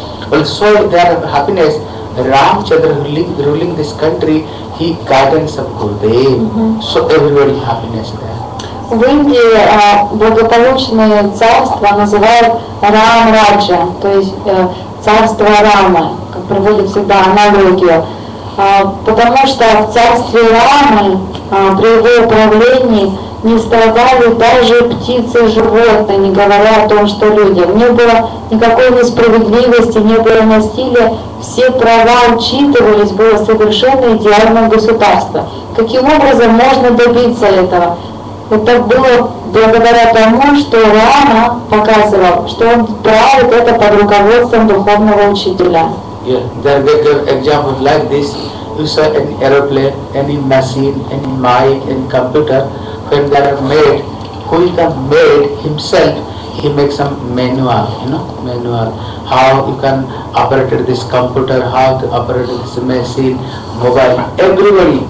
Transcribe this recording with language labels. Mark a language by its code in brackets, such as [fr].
[en] Well, so their happiness, Ramchandra ruling this country, he guidance of Gurudev. Mm-hmm. So everybody happiness there. [ru] В Индии благополучное царство называют Рам-Раджа, то есть царство Рама, как проводят всегда аналогию. Потому что в царстве Рамы при его управлении не страдали даже птицы, животные, не говоря о том, что люди. Не было никакой несправедливости, не было насилия, все права учитывались, было совершенно идеальное государство. Каким образом можно добиться этого? Это было благодаря тому, что Рама показывал, что он правит это под руководством духовного учителя. [en] Yeah, there are examples like this. You saw an aeroplane, any machine, any mic, any computer, when they are made, who is the made himself, he makes some manual. How you can operate this computer, how to operate this machine, mobile, everybody.